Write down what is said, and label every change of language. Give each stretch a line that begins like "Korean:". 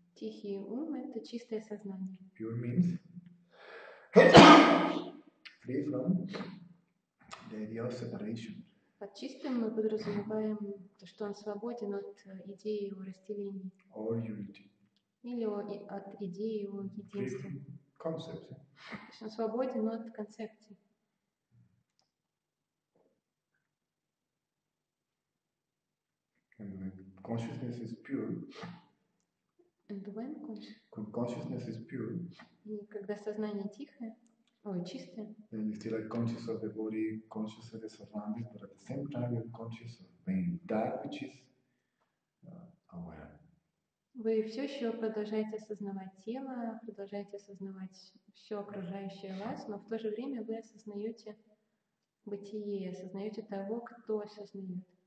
Russian: Тихий ум – это чистое сознание.
English: Pure means free from the idea of separation.
Russian: Под чистым мы подразумеваем, что он свободен от идеи о разделении.
English: Or unity.
Russian: Или от идеи о единстве. Концепции. То есть он свободен от концепции.
English: And when consciousness is pure. And when consciousness is pure.
Russian: И когда сознание тихое, ой, чистое.
English: Then you're still like conscious of the body, conscious of the surroundings, but at the same time you're conscious of being that which is aware.
Russian: Вы все еще продолжаете осознавать тело, продолжаете осознавать все окружающее вас, но в то же время вы осознаете бытие, осознаете того, кто осознает.